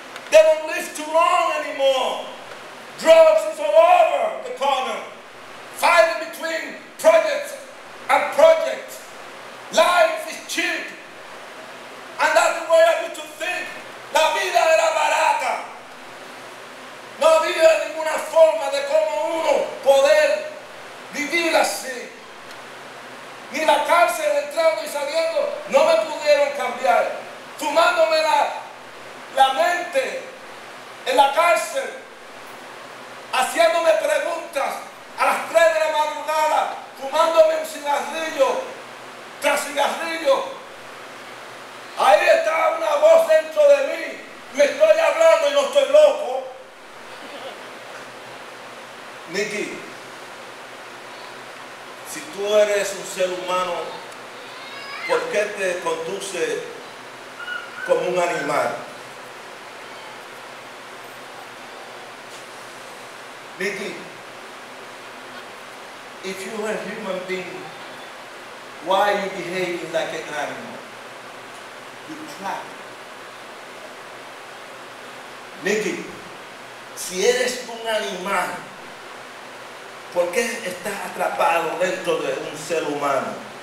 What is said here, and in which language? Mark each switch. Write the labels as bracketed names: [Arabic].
[English] they don't live too long anymore, drugs is all over the corner, fighting between projects and projects, life is cheap. And that's the way I used to think. [Spanish] La vida era barata. No había ninguna forma de cómo uno poder vivir así. Ni la cárcel entrando y saliendo no me pudieron cambiar. Fumándome la mente en la cárcel, haciéndome preguntas a las 3 de la madrugada, fumándome un cigarrillo tras cigarrillo. Ahí está una voz dentro de mí. Me estoy hablando y no estoy loco. NIcky, si tú eres un ser humano, ¿por qué te conduces como un animal? [English] NIcky, if you are a human being, why are you behaving like an animal? You trap. [Spanish] NIcky, si eres un animal, ¿por qué estás atrapado dentro de un ser humano?